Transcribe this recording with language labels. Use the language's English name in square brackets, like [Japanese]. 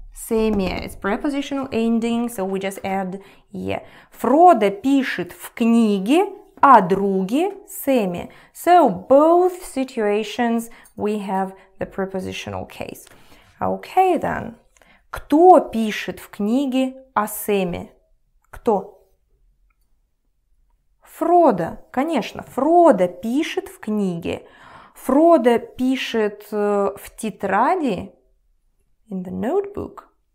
[English] Same, yeah, it's prepositional ending, so we just add yeah. [Russian] Фродо пишет в книге о друге Сэмми. [English] So both situations we have the prepositional case. Okay then. [Russian] Кто пишет в книге о Сэмми? Кто? Фродо, конечно. Фродо пишет в книге. Фродо пишет в тетради. [English] In the notebook.